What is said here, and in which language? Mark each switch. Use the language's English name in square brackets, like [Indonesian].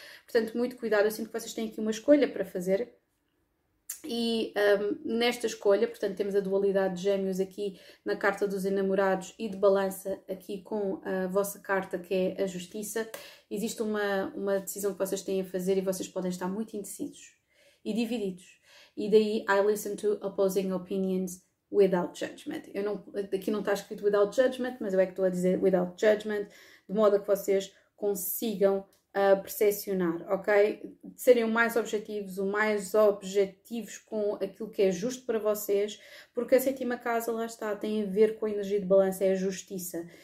[Portuguese] Portanto, muito cuidado, eu sinto que vocês têm aqui uma escolha para fazer. E nesta escolha, portanto, temos a dualidade de Gêmeos aqui na carta dos enamorados e de Balança aqui com a vossa carta que é a Justiça. Existe uma decisão que vocês têm a fazer e vocês podem estar muito indecisos e divididos. [English] E daí, I listen to opposing opinions without judgment. [Portuguese] Eu não, aqui não está escrito [English] without judgment, [Portuguese] mas eu é que estou a dizer without judgment, de modo a que vocês consigam percepcionar, ok? Serem o mais objetivos, o mais objetivos com aquilo que é justo para vocês, porque a sétima casa, lá está, tem a ver com a energia de balança, é a justiça.